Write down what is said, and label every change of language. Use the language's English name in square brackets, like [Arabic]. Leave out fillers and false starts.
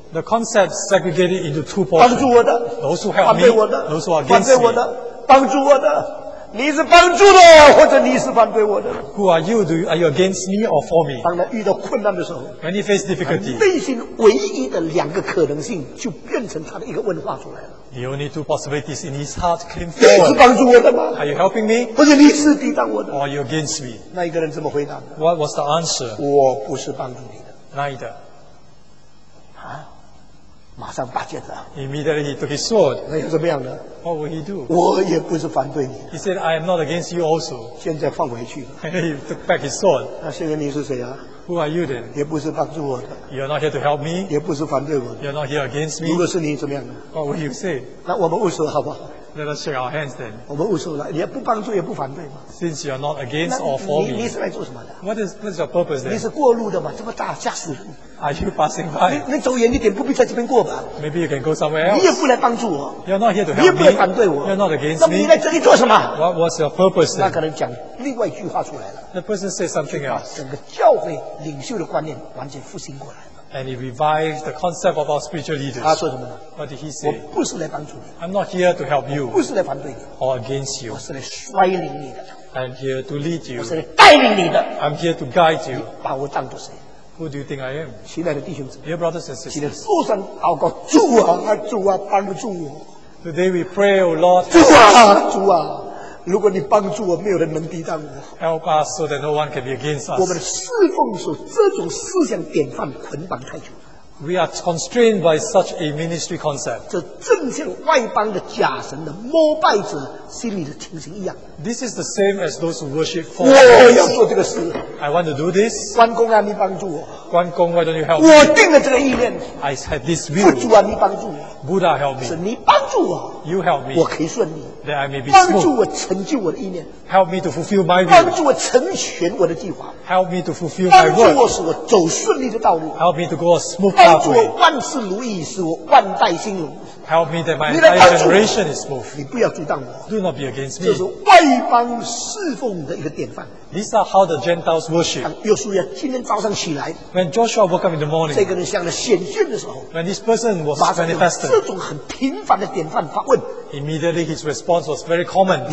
[English] The concept segregated into two portions. [Chinese] 帮助我的 [English] ，those who help me， [Chinese] 反对我的 [English] ，those who are against me， [Chinese] 反对我的，帮助我的，你是帮助的，或者你是反对我的。 [English] Who are you? Do you are you against me or for me? [Chinese] 当他遇到困难的时候 [English] ，when he faces difficulty， [Chinese] 内心唯一的两个可能性就变成他的一个问话出来了。 [English] The only two possibilities in his heart came forward. [Chinese] 你是帮助我的吗 [English] ？Are you helping me? [Chinese] 或者你是抵挡我的 [English] ？Or are you against me? [Chinese] 那一个人怎么回答 [English] ？What was the answer? [Chinese] 我不是帮助你的。 [English] Neither. [Chinese] 啊？马上拔剑了。 [English] Immediately he took his sword. [Chinese] 那又怎么样呢 [English] ？What would he do? [Chinese] 我也不是反对你。 [English] He said, "I am not against you also." [Chinese] 现在放回去。 [English] And he took back his sword. [Chinese] 那现在你是谁啊 [English] ？Who are you then? [Chinese] 也不是帮助我的。 [English] You're not here to help me. [Chinese] 也不是反对我的。 [English] You're not here against me. [Chinese] 如果是你怎么样呢 [English] ？What would you say? [Chinese] 那我们握手好不好 [English] ？Let us shake our hands then. [Chinese] 我们握手了，你也不帮助也不反对嘛。 [English] Since you're not against or for me. [Chinese] 你是来做什么的 [English] ？What is your purpose then? [Chinese] 你是过路的嘛？这么大，吓死人。 [English] Are you passing by? [Chinese] 你走远一点，不必在这边过吧。 [English] Maybe you can go somewhere else. [Chinese] 你也不来帮助我。 [English] You're not here to help me. [Chinese] 你也不来反对我。 [English] You're not against me. [Chinese] 那你来这里做什么 [English] ？What's your purpose? [Chinese] 那可能讲另外一句话出来了。 [English] The person says something else. [Chinese] 整个教会领袖的观念完全复兴过来了。 [English] And he revived the concept of our spiritual leaders. [Chinese] 他说什么呢 [English] ？What did he say? [Chinese] 我不是来帮助你。 [English] I'm not here to help you. [Chinese] 不是来反对你。 [English] Or against you. [Chinese] 我是来率领你的。 [English] I'm here to lead you. [Chinese] 我是来带领你的。 [English] I'm here to guide you. [Chinese] 你把我当作谁？ [English] Who do you think I am? [Chinese] 亲爱的弟兄姊妹 [English] Dear brothers and sisters. [Chinese] 请你说声祷告主啊主啊帮助我 [English] Today we pray, O Lord. [Chinese] 主啊主啊如果你帮助我没有人能抵挡我 [English] Help us so that no one can be against us. [Chinese] 我们侍奉所这种思想典范捆绑太久 [English] We are constrained by such a ministry concept. [Chinese] 这正像外邦的假神的膜拜者心里的情形一样。 [English] This is the same as those who worship false gods. [Chinese] 我要做这个事。 [English] I want to do this. [Chinese] 关公啊，你帮助我。 [English] 关公 ，Why don't you help me? [Chinese] 我定了这个意念。 [English] I have this will. [Chinese] 主啊，你帮助我。 [English] Buddha help me. [Chinese] 是你帮助我。 [English] You help me. [Chinese] 我可以顺利。 [English] That I may be smooth. [Chinese] 帮助我成就我的意念。 [English] Help me to fulfill my will. [Chinese] 帮助我成全我的计划。 [English] Help me to fulfill my word. [Chinese] 帮助我使我走顺利的道路。 [English] Help me to go a smooth pathway. [Chinese] 帮助我万事如意，使我万代兴隆。 [English] Help me that my entire generation is smooth. [Chinese] 你不要阻挡我。 [English] Do not be against me. [Chinese] 这是外邦侍奉的一个典范。 [English] These are how the Gentiles worship. [Chinese] 约书亚今天早上起来。 [English] When Joshua woke up in the morning. [Chinese] 这个人向着显现的时候。 [English] When this person was manifested. [Chinese] 这种很频繁的典范发问。 [English] Immediately his response was very common.